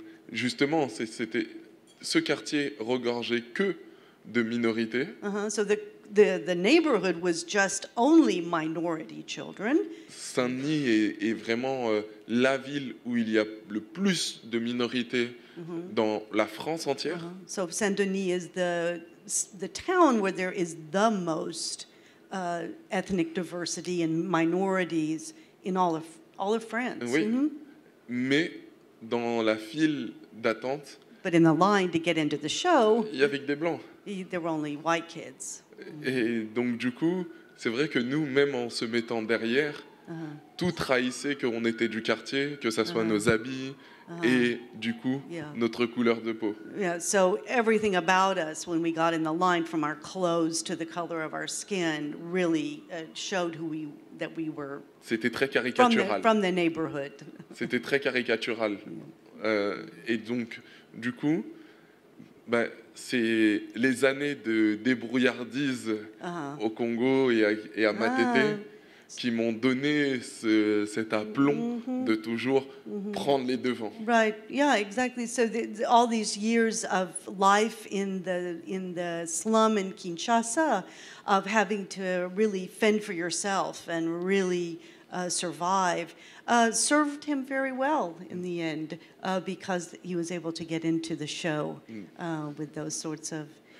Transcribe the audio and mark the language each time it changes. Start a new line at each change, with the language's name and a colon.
French: Justement, c'était, ce quartier regorgeait que de minorités.
English: So the neighborhood was just only minority children.
French: Saint-Denis est vraiment la ville où il y a le plus de minorités dans la France entière.
English: So Saint-Denis is the town where there is the most ethnic diversity and minorities in all of France.
French: Oui. Mm-hmm. Mais dans la file d'attente,
English: but in the line to get into the show,
French: il y avait que des blancs.
English: There were only white kids.
French: Et donc du coup, c'est vrai que nous, même en se mettant derrière, tout trahissait qu'on était du quartier, que ça soit nos habits et du coup notre couleur de peau.
English: Yeah, so everything about us when we got in the line, from our clothes to the color of our skin, really showed who we that we were.
French: C'était très caricatural.
English: From the neighborhood.
French: C'était très caricatural. Et donc du coup, c'est les années de débrouillardise au Congo et à Matete qui m'ont donné cet aplomb de toujours prendre les devants.
English: Right, yeah, exactly. So all these years of life in the slum in Kinshasa, of having to really fend for yourself and really survive, served him very well in the end, because he was able to get into the show with those sorts of instincts.